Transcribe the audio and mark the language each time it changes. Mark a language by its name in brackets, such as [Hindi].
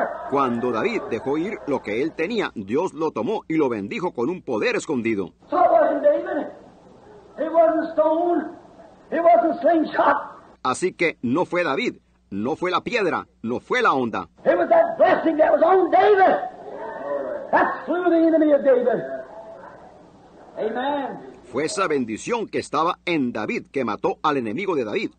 [Spanish] Cuando David dejó ir lo que él tenía, Dios lo tomó y lo bendijo con un poder escondido. [English] So it wasn't David. It wasn't stone. It wasn't slingshot. [Spanish] Así que no fue David, no fue la piedra, no fue la onda. [English] It was that blessing that was on David. That slew the enemy of David. Amen. [Spanish] Fue esa bendición que estaba en David que mató al enemigo de David.